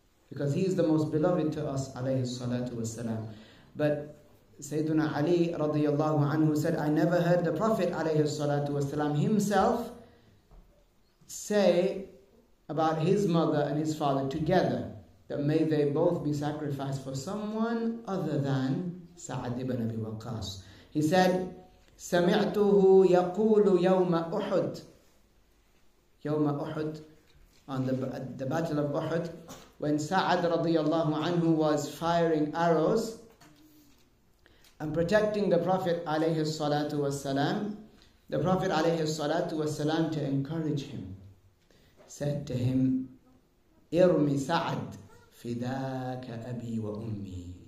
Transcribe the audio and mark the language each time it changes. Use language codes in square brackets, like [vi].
[en] Because he is the most beloved to us, alayhi salatu wa salam. But Sayyiduna Ali radiyallahu anhu said, I never heard the Prophet alayhi salatu wa salam himself say about his mother and his father together that may they both be sacrificed for someone other than Sa'ad ibn Abi Waqqas. He said, [ar] سَمِعْتُهُ يَقُولُ يَوْمَ أُحُدٍ. يوم أحد, [en] on the battle of Uhud, when Sa'ad radiyallahu anhu was firing arrows and protecting the Prophet alayhi salatu wasalam, the Prophet alayhi salatu wasalam, to encourage him, said to him, [ar] إِرْمِ سَعَدْ فِدَاكَ أَبِي وَأُمِّي.